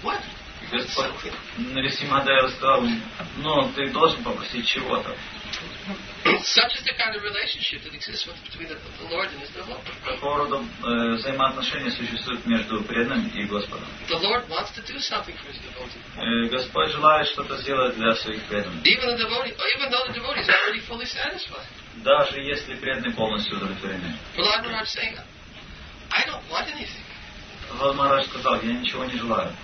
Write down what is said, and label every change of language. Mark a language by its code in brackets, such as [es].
[en] What? [ru] Господь Нарисимхадев сказал, ну, ты должен попросить чего-то. [en] Such is the kind of relationship that exists between the Lord and his devotee. [ru] Такого рода взаимоотношения существуют между преданным и Господом. [en] The Lord wants to do something for his devotee. [ru] Господь желает что-то сделать для своих преданных. [en] Even though the devotee is already fully satisfied. [ru] Даже если преданный полностью удовлетворен. [en] Prahlad Maharaj saying, I don't want anything. [ru] Прохлад Махарадж сказал, я ничего не желаю.